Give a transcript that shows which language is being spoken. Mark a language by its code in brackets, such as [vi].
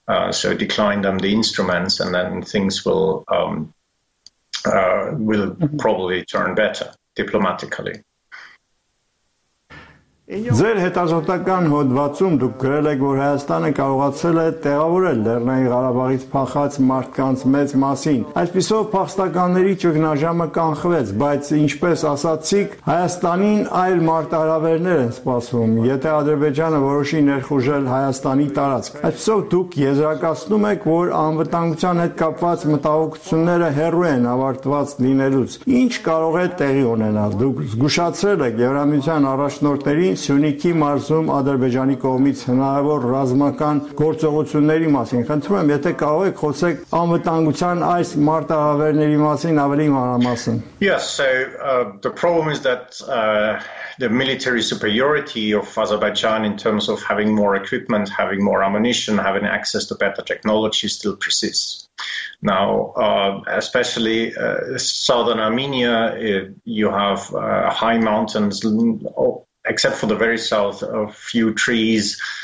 [en] So decline them the instruments and then things will probably turn better diplomatically. [hy] Ձեր հետազոտական հոդվածում դուք գրել եք, որ Հայաստանը կարողացել է տեղավորել Լեռնային Ղարաբաղից փախած մարդկանց մեծ մասին։ Այսպիսով փախստականների ճգնաժամը կանխվեց, բայց ինչպես ասացիք, Հայաստանին այլ մարտահրավերներ են սպասվում, եթե Ադրբեջանը որոշի ներխուժել Հայաստանի տարածք։ Այսպիսով դուք եզրակացնում եք, որ անվտանգության հետ կապված մտահոգությունները հեռու են ավարտված լինելուց։ Ինչ կարող է տեղի ունենալ։ Դուք զգուշացրել եք Եվրամիության առաջնորդների Սյունիքի մարզում Ադրբեջանի կողմից հնարավոր ռազմական գործողությունների մասին։ Խնդրում եմ, եթե կարող եք խոսեք անվտանգության այս մարտահրավերների մասին ավելի մանրամասն։ [en] Yes, so the problem is that the military superiority of Azerbaijan in terms of having more equipment, having more ammunition, having access to better technology still persists. Now, especially southern Armenia, you have high mountains, except for the very south, a few trees.